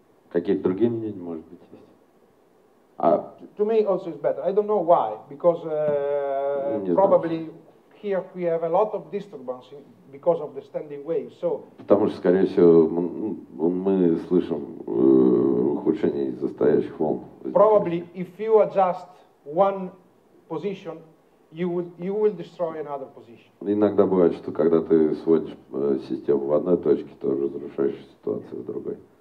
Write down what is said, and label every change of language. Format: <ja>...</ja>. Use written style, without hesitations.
<ru>Какие-то другие мнения, может быть, есть?</ru> <en>А. To me also is better. I don't know why, because probably here we have a lot of disturbance because of the standing waves. So.</en> <ru>Потому что, скорее всего, мы слышим ухудшение из-за стоящих волн.</ru> <en>Probably if you adjust one position, you will destroy another position.</en> <ru>Иногда бывает, что когда ты сводишь систему в одной точке, то разрушаешь ситуацию в другой.</ru>